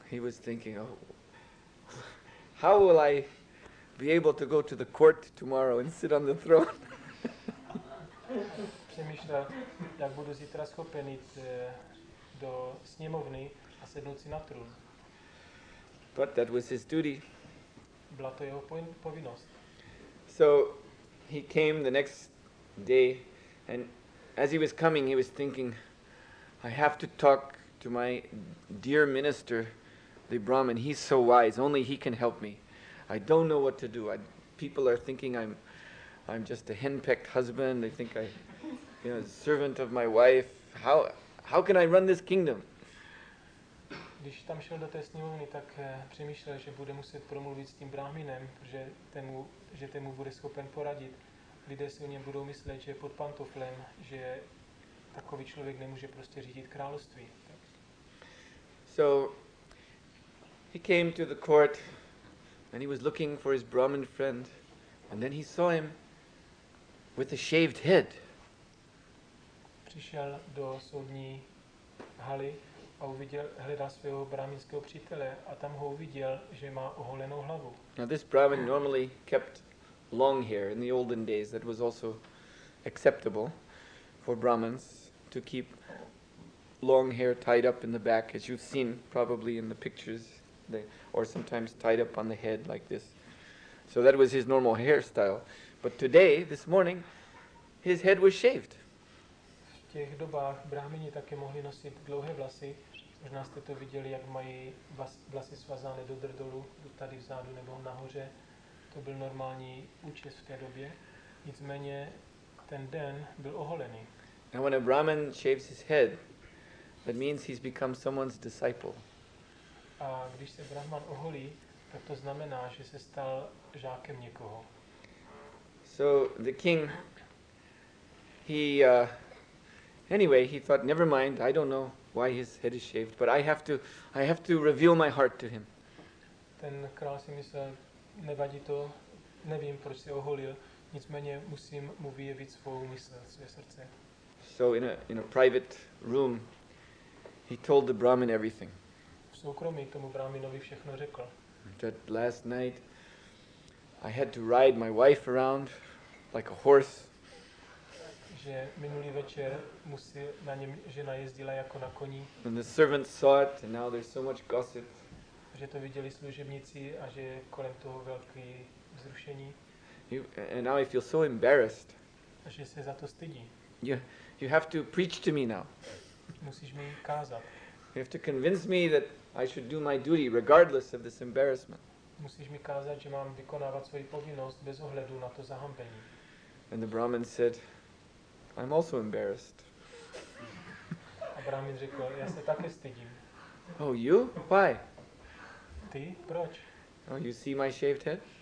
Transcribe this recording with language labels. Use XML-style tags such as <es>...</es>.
<en>He was thinking, oh, how will I be able to go to the court tomorrow and sit on the throne?</en> <cs>Přemýšlel, jak budu zítra schopen jít do sněmovny a sednout si na trůn.</cs> <en>But that was his duty.</en> <cs>Byla to jeho povinnost.</cs> <en>So he came the next day and as he was coming, he was thinking, I have to talk to my dear minister, the Brahmin. He's so wise. Only he can help me. I don't know what to do. People are thinking I'm just a henpecked husband. They think I'm a servant of my wife. How can I run this kingdom?</en> <cs>Když tam šel do té sněmovny, tak přemýšlel, že bude muset promluvit s tím Brahminem, že temu bude schopen poradit. Lidé si o něm budou myslet, že je pod pantoflem, že takový člověk nemůže prostě řídit království.</cs> <en>So he came to the court and he was looking for his Brahmin friend and then he saw him with a shaved head.</en> <cs>Přišel do soudní haly a uviděl, hledal svého brahminského přítele a tam ho uviděl, že má oholenou hlavu.</cs> <en>Now this Brahmin normally kept long hair in the olden days, that was also acceptable for Brahmins to keep long hair tied up in the back, as you've seen probably in the pictures, or sometimes tied up on the head like this. So that was his normal hairstyle. But today, this morning, his head was shaved.</en> <cs>V těch dobách Brahmini také mohli nosit dlouhé vlasy. Možná jste to viděli, jak mají vlasy svazány do drdolu, tady vzadu nebo nahoře. To byl normální účes v té době. Nicméně ten den byl oholený.</cs> <en>Now when a Brahmin shaves his head, that means he's become someone's disciple.</en> <cs>A když se Brahman oholí, tak to znamená, že se stal žákem někoho.</cs> <en>So the king, he thought, never mind, I don't know why his head is shaved, but I have to reveal my heart to him.</en> <cs>Ten král si myslel, nevadí to, nevím, proč se oholil, nicméně musím mu vyjevit svou mysl, své srdce.</cs> <en>So in a private room, he told the Brahmin everything.</en> <cs>V soukromí tomu Brahminovi všechno řekl.</cs> <en>That last night, I had to ride my wife around like a horse.</en> <cs>Že minulý večer musel na něm žena jezdila jako na koni.</cs> <en>And the servants saw it, and now there's so much gossip.</en> <cs>Že to viděli služebníci a že kolem toho velký vzrušení.</cs> <en>And now I feel so embarrassed.</en> <cs>A že se za to stydí.</cs> <en>You have to preach to me now.</en> <cs>Musíš mi kázat.</cs> <en>You have to convince me that I should do my duty regardless of this embarrassment.</en> <cs>Musíš mi kázat, že mám vykonávat svoji povinnost bez ohledu na to zahambení.</cs> <en>And the Brahmin said, I'm also embarrassed.</en> <cs>A Brahmin řekl, já se také stydím.</cs> <en>Oh, you? Why?</en> <cs>Ty? Proč?</cs> <en>Oh, you see my shaved head?</en>